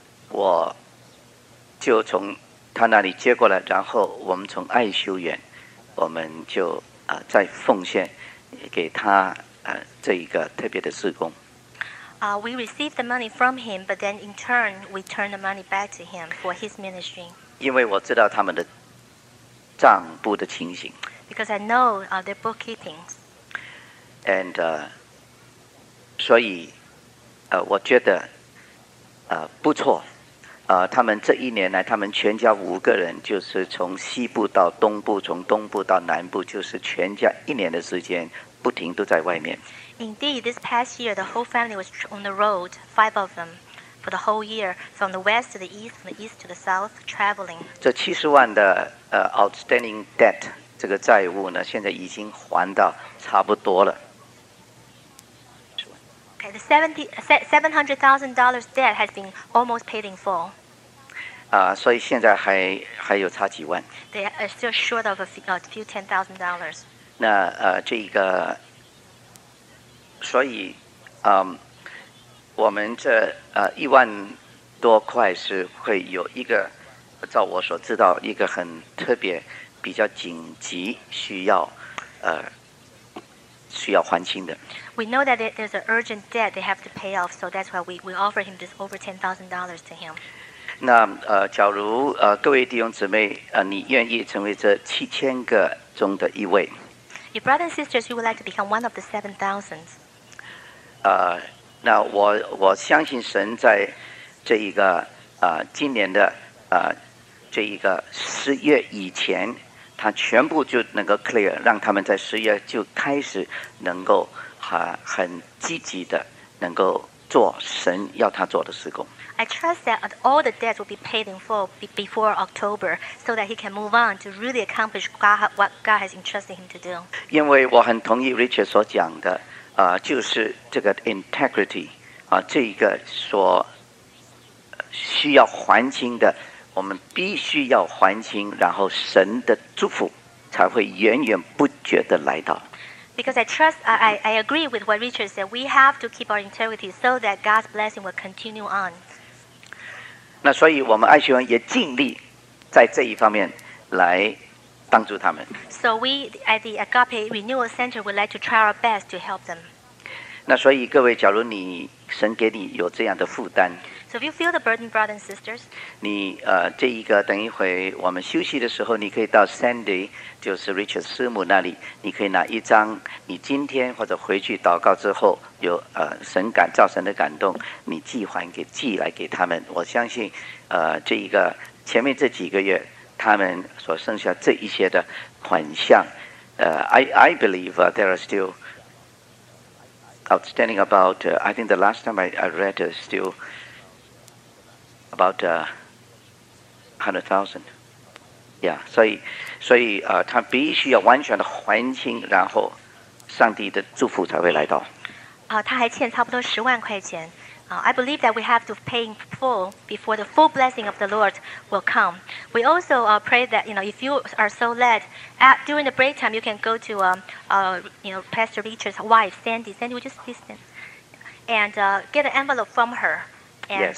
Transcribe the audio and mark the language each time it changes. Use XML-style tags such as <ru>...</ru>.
<zh>我就从他那里接过来，然后我们从爱修院，我们就再奉献给他这一个特别的事工。</zh> <en>We received the money from him, but then in turn we turned the money back to him for his ministry.</en> <zh>因为我知道他们的账簿的情形。</zh> <en>Because I know their bookkeeping.</en> <zh>And 所以我觉得不错。他们这一年来，他们全家五个人，就是从西部到东部，从东部到南部，就是全家一年的时间不停都在外面。</zh> <en>Indeed, this past year, the whole family was on the road, five of them, for the whole year, from the west to the east, from the east to the south, traveling.</en> <zh>这70万的</zh> <en>outstanding debt,</en> <zh>这个债务呢，现在已经还到差不多了。</zh> <en>Okay, the $700,000 debt has been almost paid in full.</en> <zh>所以现在还有差几万。</zh> <en>They are still short of a few $10,000.</en> <zh>那这个。所以我们这一万多块是会有一个，照我所知道，一个很特别比较紧急需要还清的。</zh> <en>We know that there's an urgent debt they have to pay off, so that's why we offer him this over $10,000 to him.</en> <zh>那假如各位弟兄姊妹你愿意成为这7000个中的一位。</zh> <en>Your brothers and sisters, you would like to become one of the 7,000.</en> <zh>那我相信神在这一个今年的这一个10月以前，他全部就能够 clear， 让他们在10月就开始能够很积极的能够做神要他做的事工。</zh> <en>I trust that all the debts will be paid in full before October, so that he can move on to really accomplish what God has entrusted him to do.</en> <zh>因为我很同意 Richard 所讲的。就是这个 integrity 这个所需要还清的，我们必须要还清，然后神的祝福才会源源不绝的来到。</zh> <en>Because I trust, I agree with what Richard said. We have to keep our integrity so that God's blessing will continue on.</en> <zh>那所以我们爱学院也尽力在这一方面来帮助他们。</zh> <en>So we at the Agape Renewal Center would like to try our best to help them.</en> <zh>那所以各位，假如你神给你有这样的负担</zh> <en>，So if you feel the burden, brothers and sisters,</en> <zh>你这一个等一会我们休息的时候，你可以到 Sandy， 就是 Richard 师母那里，你可以拿一张你今天或者回去祷告之后有神感造神的感动，你寄来给他们。我相信这一个前面这几个月。他们所剩下这一些的款项，</zh> <en>I believe there are still outstanding about, I think the last time I read is still about 100,000.</en> <zh>Yeah, 所以他必须要完全的还清，然后上帝的祝福才会来到。他还欠差不多10万块钱。</zh> <en>I believe that we have to pay in full before the full blessing of the Lord will come. We also pray that, you know, if you are so led, during the break time, you can go to Pastor Richard's wife, Sandy. Sandy, would you please stand? And get an envelope from her. And,</en>